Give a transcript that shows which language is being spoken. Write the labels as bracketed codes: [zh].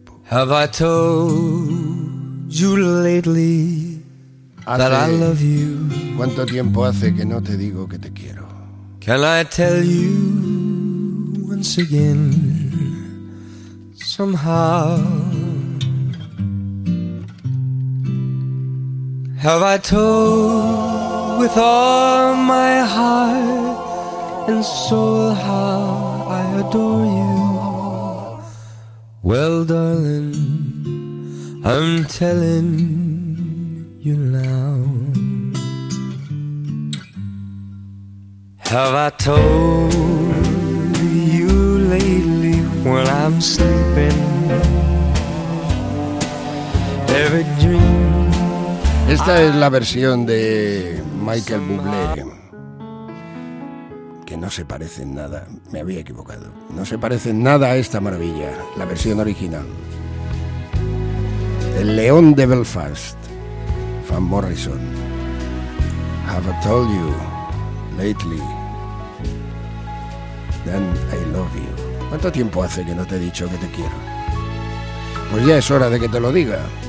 [en] Have I told you lately that I love you? [es] ¿Cuánto tiempo hace que no te digo que te quiero? [en] Can I tell you once again somehow? Have I told with all my heart and soul how I adore you? Well, darling, I'm telling you now. Have I told you lately when I'm sleeping? Every dream. [es] Esta es la versión de Michael Bublé, que no se parece en nada, me había equivocado, no se parece en nada a esta maravilla, la versión original. El León de Belfast, Van Morrison. [en] Have I told you lately that I love you? [es] ¿Cuánto tiempo hace que no te he dicho que te quiero? Pues ya es hora de que te lo diga.